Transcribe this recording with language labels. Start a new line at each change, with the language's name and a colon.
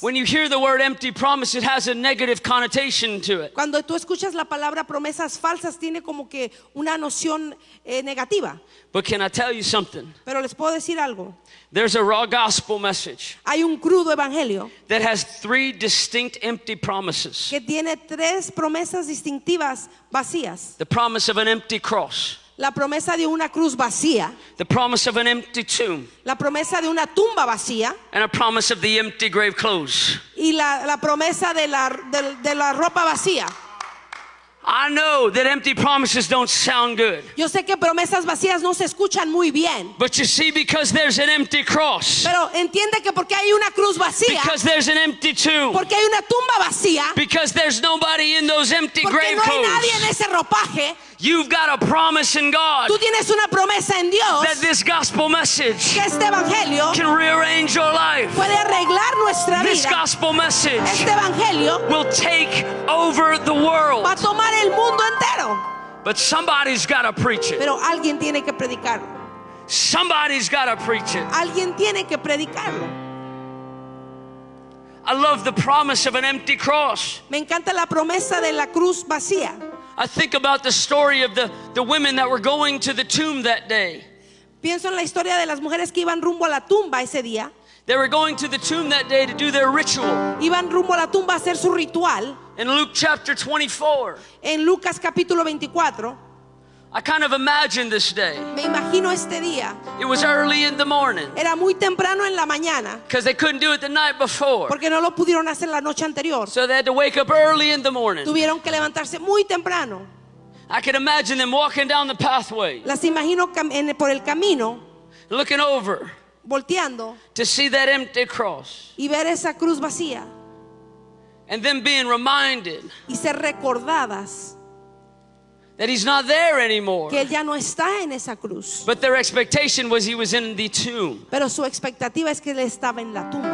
English: When you hear the word empty promise, it has a negative connotation to it.
Spanish: Cuando tú escuchas la palabra promesas falsas, tiene como que una noción negativa.
English: But can I tell you something?
Spanish: Pero les puedo decir algo.
English: There's a raw gospel message.
Spanish: Hay un crudo evangelio.
English: That has three distinct empty promises.
Spanish: Que tiene tres promesas distintivas vacías.
English: The promise of an empty cross.
Spanish: La promesa de una cruz vacía.
English: The promise of an empty tomb.
Spanish: La promesa de una tumba vacía.
English: And a promise of the empty grave clothes.
Spanish: Y la promesa de la ropa vacía.
English: I know that empty promises don't sound good.
Spanish: Yo sé que promesas vacías no se escuchan muy bien.
English: But you see, because there's an empty cross.
Spanish: Pero entiende que porque hay una cruz vacía.
English: Because there's an empty tomb.
Spanish: Porque hay una tumba vacía.
English: Because there's nobody in those empty grave clothes.
Spanish: Porque no hay nadie en ese ropaje.
English: You've got a promise in God.
Spanish: Tú tienes una promesa en Dios.
English: That this gospel message.
Spanish: Que este evangelio.
English: Can rearrange your life.
Spanish: Puede arreglar nuestra vida.
English: This gospel message.
Spanish: Este evangelio.
English: Will take over the world.
Spanish: Va a tomar el mundo entero.
English: But somebody's got to preach it.
Spanish: Pero alguien tiene que predicarlo.
English: Somebody's got to preach it.
Spanish: Alguien tiene que predicarlo.
English: I love the promise of an empty cross.
Spanish: Me encanta la promesa de la cruz vacía.
English: I think about the story of the women that were going to the tomb that day.
Spanish: Pienso en la historia de las mujeres que iban rumbo a la tumba ese día.
English: They were going to the tomb that day to do their ritual.
Spanish: Iban rumbo a la tumba a hacer su ritual.
English: In Luke chapter 24.
Spanish: En Lucas capítulo 24.
English: I kind of imagine this day.
Spanish: Me imagino este día.
English: It was early in the morning.
Spanish: Era muy temprano en la mañana.
English: Because they couldn't do it the night before.
Spanish: Porque no lo pudieron hacer la noche anterior.
English: So they had to wake up early in the morning.
Spanish: Tuvieron que levantarse muy temprano.
English: I can imagine them walking down the pathway.
Spanish: Las imagino por el camino.
English: Looking over.
Spanish: Volteando.
English: To see that empty cross.
Spanish: Y ver esa cruz vacía.
English: And then being reminded.
Spanish: Y ser recordadas.
English: That he's not there anymore.
Spanish: Que él ya no está en esa cruz.
English: But their expectation was he was in the tomb.
Spanish: Pero su expectativa es que él estaba en la tumba.